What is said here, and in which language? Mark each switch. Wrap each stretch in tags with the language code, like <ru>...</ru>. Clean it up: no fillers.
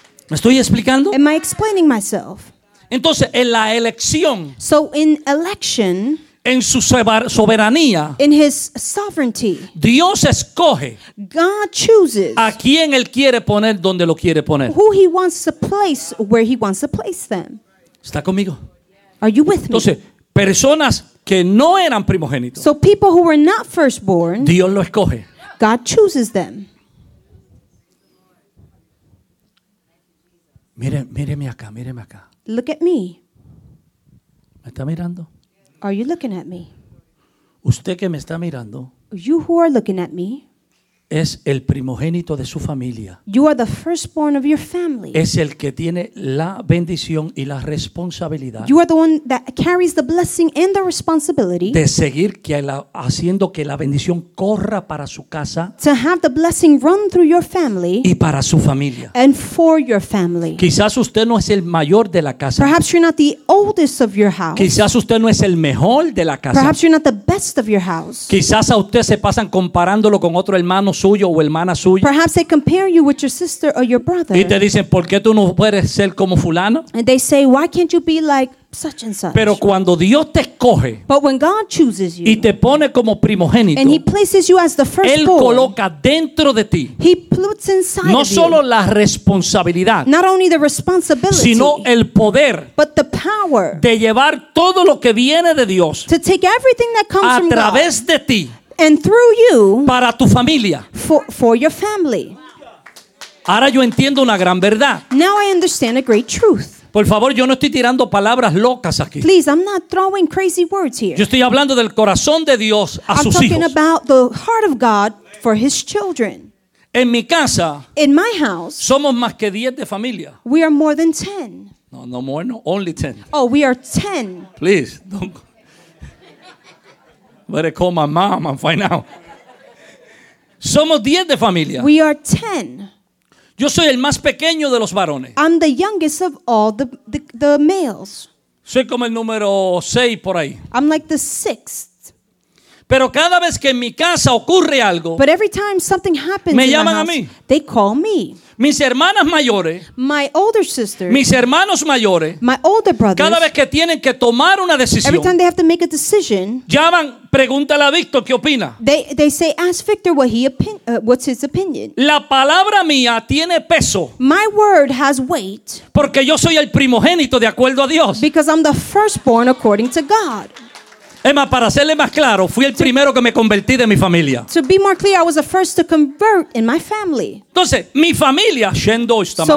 <es>¿Me estoy explicando?</es> <en>Am I explaining myself?</en> <es>Entonces, en la elección,</es> <en>so in election,</en> <es>en su soberanía,</es> <en>in his sovereignty,</en> <es>Dios escoge</es> <en>God chooses</en> <es>a quien Él quiere poner donde lo quiere poner.</es> <en>Who he wants to place where he wants to place them.</en> <es>¿Está conmigo?</es> <en>Are you with me?</en> <es>Entonces, personas que no eran primogénitos.</es> <en>So people who were not firstborn.</en> <es>Dios lo escoge.</es> <en>God chooses them.</en> <es>Míreme acá, míreme acá.</es> <en>Look at me.</en> <es>¿Me está mirando?</es> <en>Are you looking at me?</en> <es>Usted que me está mirando.</es> <en>You who are looking at me.</en> <es>Es el primogénito de su familia.</es> <en>You are the firstborn of your family.</en> <es>Es el que tiene la bendición y la responsabilidad.</es> <en>You are the one that carries the blessing and the responsibility.</en> <es>De seguir que la, haciendo que la bendición corra para su casa.</es> <en>To have the blessing run through your family.</en> <es>Y para su familia.</es> <en>And for your family.</en> <es>Quizás usted no es el mayor de la casa.</es> <en>Perhaps you're not the oldest of your house.</en> <es>Quizás usted no es el mejor de la casa.</es> <en>Perhaps you're not the best of your house.</en> <es>Quizás a usted se pasan comparándolo con otro hermano suyo o hermana suya.</es> <en>Perhaps they compare you with your sister or your brother.</en> <es>Y te dicen, ¿por qué tú no puedes ser como fulano?</es> <en>And they say, why can't you be like such and such?</en> <es>Pero cuando Dios te escoge,</es> <en>but when God chooses you,</en> <es>y te pone como primogénito,</es> <en>and he places you as the firstborn,</en> <es>él coloca dentro de ti,</es> <en>he puts inside</en> <es>no solo</es> <en>of you,</en> <es>la responsabilidad,</es> <en>not only the responsibility,</en> <es>sino el poder,</es> <en>but the power,</en> <es>de llevar todo lo que viene de Dios,</es> <en>to take everything that comes</en> <es>a</es> <en>from</en> <es>través</es> <en>God</en> <es>de ti.</es> <en>And through you,</en> <es>para tu familia,</es> <en>for your family.</en> <es>Ahora yo entiendo una gran verdad.</es> <en>Now I understand a great truth.</en> <es>Por favor, yo no estoy tirando palabras locas aquí.</es> <en>Please, I'm not throwing crazy words here.</en> <es>Yo estoy hablando del corazón de Dios a</es> <en>I'm</en> <es>sus</es> <en>talking</en> <es>hijos.</es> <en>About the heart of God for his children.</en> <es>En mi casa,</es> <en>in my house,</en> <es>somos más que 10 de familia.</es> <en>We are more than 10. No, no more, no, only 10. Oh, we are 10. Please, don't go. Let it call my mom and find out.</en> <es>Somos 10 de familia.</es> <en>We are 10.</en> <es>Yo soy el más pequeño de los varones.</es> <en>I'm the youngest of all the males.</en> <es>Soy como el número 6 por ahí.</es> <en>I'm like the 6th.</en> <es>Pero cada vez que en mi casa ocurre algo,</es> <en>but every time something happens,</en> <es>me llaman</es> <en>house,</en> <es>a mí.</es> <en>They call me.</en> <es>Mis hermanas mayores,</es> <en>my older sisters,</en> <es>mis hermanos mayores,</es> <en>my older brothers,</en> <es>cada vez que tienen que tomar una decisión,</es> <en>every time they have to make a decision,</en> <es>llaman, pregúntale a Víctor qué opina.</es> <en>They say, ask Victor what he what's his opinion.</en> <es>La palabra mía tiene peso.</es> <en>My word has weight.</en> <es>Porque yo soy el primogénito de acuerdo a Dios.</es> <en>Because I'm the firstborn according to God.</en> <es>Es más, para hacerle más claro, fui el primero que me convertí de mi familia.</es> <en>To be more clear, I was the first to convert in my family.</en> <es>Entonces, mi familia,</es> <en>so</en>